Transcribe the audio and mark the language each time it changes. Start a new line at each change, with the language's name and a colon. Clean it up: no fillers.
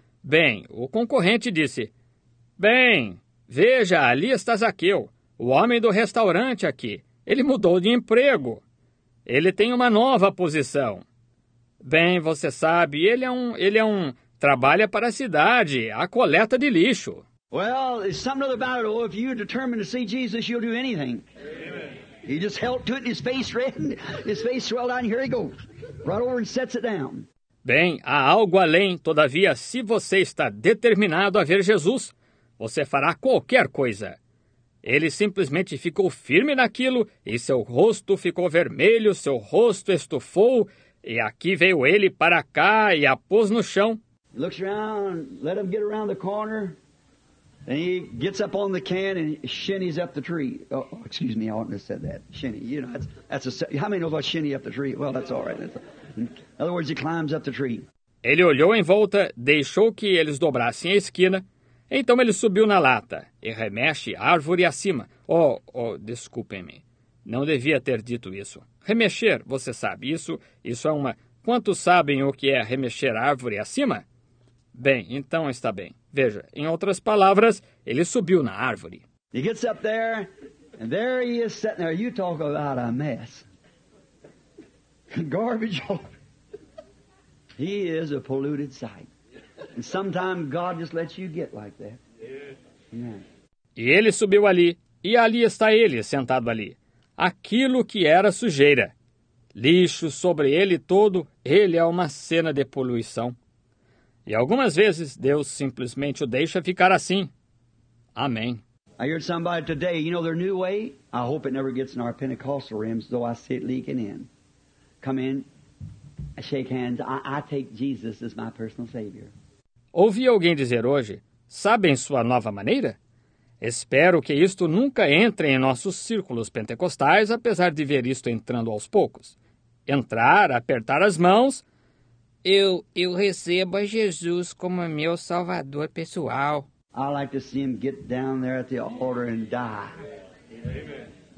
Portuguese: Bem, o concorrente disse, bem, veja, ali está Zaqueu, o homem do restaurante aqui. Ele mudou de emprego. Ele tem uma nova posição. Bem, você sabe, ele é um trabalha para a cidade, a coleta de lixo.
English: Well, it's something other about it. Oh, if you determine to see Jesus, you'll do anything. Amen. He just held to it, and his face reddened, his face swelled out, and here he goes, right over and sets it down.
Portuguese: Bem, há algo além, todavia, se você está determinado a ver Jesus, você fará qualquer coisa. Ele simplesmente ficou firme naquilo, e seu rosto ficou vermelho, seu rosto estufou, e aqui veio ele para cá e a pôs no chão.
English: Looks around, let him get around the corner. And he gets up on the can and shinnies up the tree. Oh, excuse me, I oughtn't have said that. Shinny, you know, how many know about shinny up the tree? Well, that's all right. In other words, he climbs up the tree.
Portuguese: Ele olhou em volta, deixou que eles dobrassem a esquina. Então ele subiu na lata e remexe árvore acima. Oh, desculpem-me. Não devia ter dito isso. Remexer, você sabe isso. Isso é uma... Quantos sabem o que é remexer árvore acima? Bem, então está bem. Veja, em outras palavras, ele subiu na árvore.
English: He gets up there, and there he is sitting there. You talk about a mess. Garbage. He is a polluted sight. And sometimes God just lets you get like that. Yeah.
Portuguese: E ele subiu ali, e ali está ele, sentado ali. Aquilo que era sujeira. Lixo sobre ele todo, ele é uma cena de poluição. E algumas vezes, Deus simplesmente o deixa ficar assim. Amém.
English: I heard somebody today, you know their new way? I hope it never gets in our Pentecostal rims, though I see it leaking in. Come in, I shake hands, I take Jesus as my personal Savior.
Portuguese: Ouvi alguém dizer hoje, sabem sua nova maneira? Espero que isto nunca entre em nossos círculos pentecostais, apesar de ver isto entrando aos poucos. Entrar, apertar as mãos... Eu recebo a Jesus como meu salvador pessoal.
English: I like to see him get down there at the altar and die. Amen.